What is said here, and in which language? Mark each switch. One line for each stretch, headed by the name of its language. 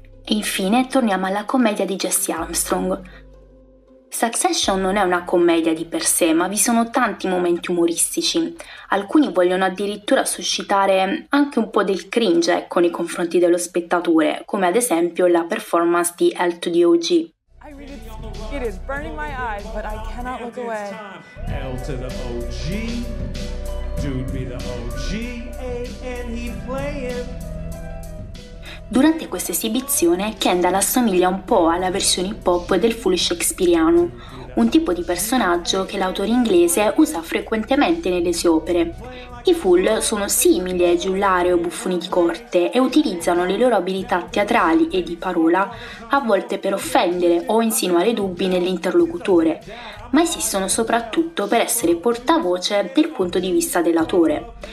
Italian: E infine torniamo alla commedia di Jesse Armstrong. Succession non è una commedia di per sé, ma vi sono tanti momenti umoristici. Alcuni vogliono addirittura suscitare anche un po' del cringe con i confronti dello spettatore, come ad esempio la performance di L2DOG.
English: It is burning my eyes, but I cannot look away. L to the OG, dude be the OG, and he playing.
Italian: Durante questa esibizione, Kendall assomiglia un po' alla versione pop del Foolish Shakespeareano, un tipo di personaggio che l'autore inglese usa frequentemente nelle sue opere. I Fool sono simili ai giullari o buffoni di corte e utilizzano le loro abilità teatrali e di parola a volte per offendere o insinuare dubbi nell'interlocutore, ma esistono soprattutto per essere portavoce del punto di vista dell'autore.